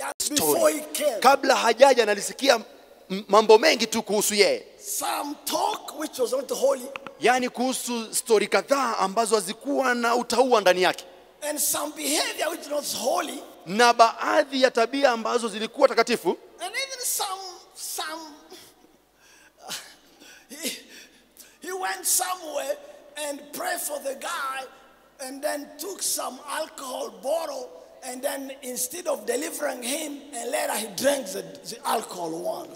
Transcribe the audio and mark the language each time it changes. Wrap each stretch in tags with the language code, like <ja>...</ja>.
<en>Before he came.</en> <sw>Kabla hajaja nalisikia mambo mengi tu kuhusu yeye.</sw> <en>Some talk which was not holy.</en> <sw>Yani kuhusu story kadhaa ambazo hazikuwa na utauwa ndani yake.</sw> <en>And some behavior which was holy.</en> <sw>Na baadhi ya tabia ambazo zilikuwa takatifu.</sw> <en>And even he went somewhere and prayed for the guy and then took some alcohol bottle. And then instead of delivering him, and later he drank the alcohol one.</en>